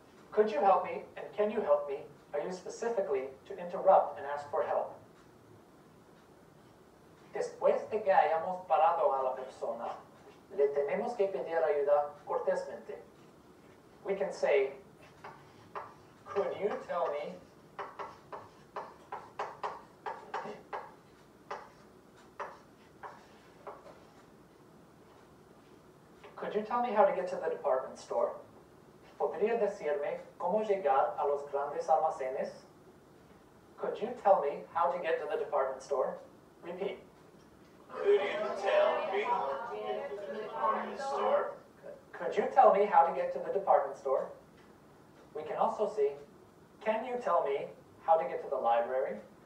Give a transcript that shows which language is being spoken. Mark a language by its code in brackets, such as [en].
[en] Could you help me and can you help me are used specifically to interrupt and ask for help. [es] Después de que hayamos parado a la persona, le tenemos que pedir ayuda cortésmente. [en] We can say, could you tell me Could you tell me how to get to the department store? [es] ¿Podría decirme cómo llegar a los grandes almacenes? [en] Could you tell me how to get to the department store? Repeat. Could you tell me how to get to the department store? Could you tell me how to get to the department store? We can also see, can you tell me How to get to the library?